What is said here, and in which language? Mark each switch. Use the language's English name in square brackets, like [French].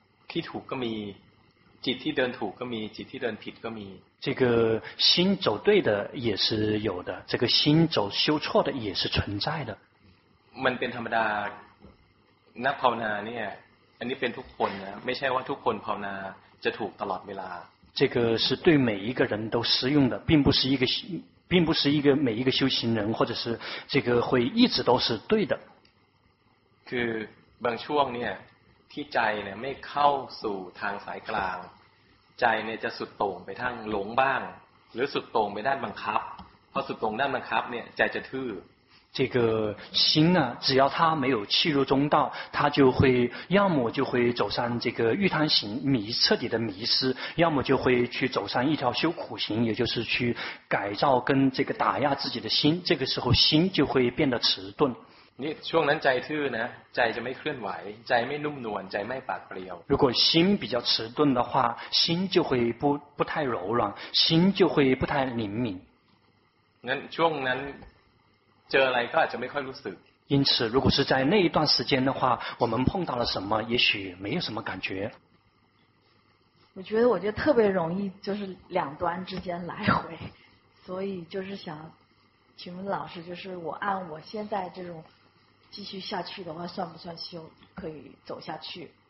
[Thai] ที่ถูกก็มีจิตที่เดินถูกก็มีจิตที่เดินผิดก็มี [Chinese] 这个心走对的也是有的这个心走修错的也是存在的 [Thai] มันเป็นธรรมดานักภาวนาเนี่ยอันนี้เป็นทุกคนนะไม่ใช่ว่าทุกคนภาวนาจะถูกตลอดเวลา [Chinese] 这个是对每一个人都适用的并不是一个每一个修行人或者是这个会一直都是对的 [Thai] คือบางช่วงเนี่ยที่ใจเนี่ยไม่เข้าสู่ทางสายกลางใจเนี่ยจะสุดโต่งไปทางหลงบ้างหรือสุดโต่งไปด้านบังคับพอสุดโต่งด้านบังคับเนี่ยใจจะทื่อ [Chinese] 这个心啊只要它没有契入中道它就会要么就会走上这个欲贪行迷彻底的迷失要么就会去走上一条修苦行也就是去改造跟这个打压自己的心这个时候心就会变得迟钝 [Thai] นี่ช่วงนั้นใจทื่อนะใจจะไม่เคลื่อนไหวใจไม่นุ่มนวลใจไม่ปากเปรียว [Chinese] 如果心比较迟钝的话心就会不太柔软心就会不太灵敏 [Thai] งั้นช่วงนั้นเจออะไรก็อาจจะไม่ค่อยรู้สึก [Chinese] 因此如果是在那一段时间的话我们碰到了什么也许没有什么感觉我觉得特别容易就是两端之间来回所以就是想请问老师就是我按我现在这种继续下去的话算不算修可以走下去